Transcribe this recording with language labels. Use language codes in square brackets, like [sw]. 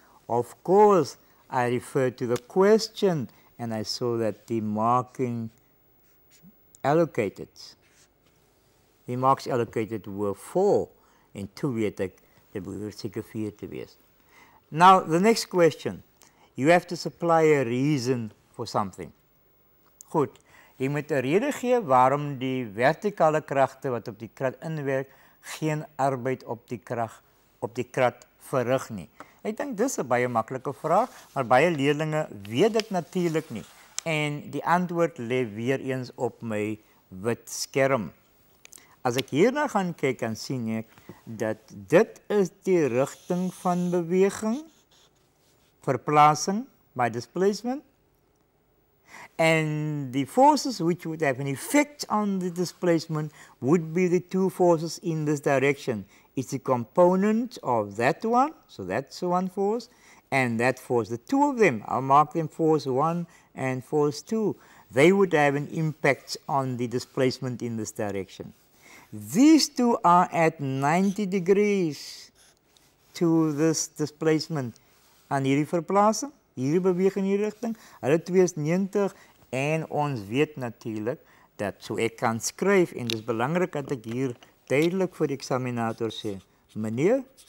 [en] Of course, I refer to the question and I saw that the marking allocated. [af] Die [en] marks allocated were [af] 4 en toe weet ek, dit behoort seker 4 te wees. [en] Now, the next question. You have to supply a reason for something. [af] Goed, jy moet 'n rede gee waarom die vertikale kragte wat op die krat inwerk, geen arbeid op die kracht, op die krat verrig nie. Ek dink dis 'n baie makkelike vraag, maar baie leerlinge weet dit natuurlik nie. En die antwoord lê weer eens op my wit skerm. As ek hierna gaan kyk, dan sien ek dat dit is die rigting van beweging, verplaasing, my [en] displacement, and the forces which would have an effect on the displacement would be the two forces in this direction. It's a component of that one, so that's one force, and that force, the two of them, I'll mark them force 1 and force 2, they would have an impact on the displacement in this direction. These two are at 90 degrees to this displacement. [af] Aan hierdie verplaasing, hierdie beweeg in hierdie richting, hulle twee is 90, en ons weet natuurlijk dat so ek kan skryf, en dis belangrik dat ek hier duidelik vir die examinator sê, meneer,